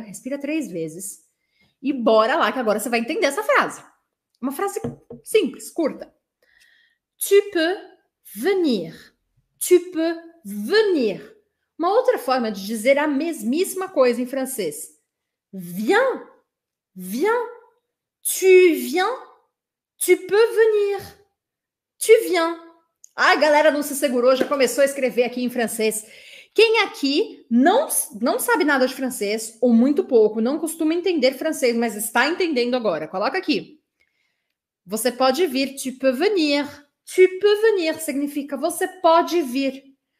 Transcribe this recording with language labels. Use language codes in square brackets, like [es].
[pt] Respira três vezes. E bora lá, que agora você vai entender essa frase. Uma frase simples, curta. [fr] Tu peux venir. Tu peux venir. [pt] Uma outra forma de dizer a mesmíssima coisa em francês. [fr] Viens, viens, tu viens, tu peux venir, tu viens. [pt] Ah, galera, não se segurou, já começou a escrever aqui em francês. Quem aqui não sabe nada de francês, ou muito pouco, não costuma entender francês, mas está entendendo agora, coloca aqui. Você pode vir, [fr] tu peux venir. Tu peux venir [pt] significa você pode vir.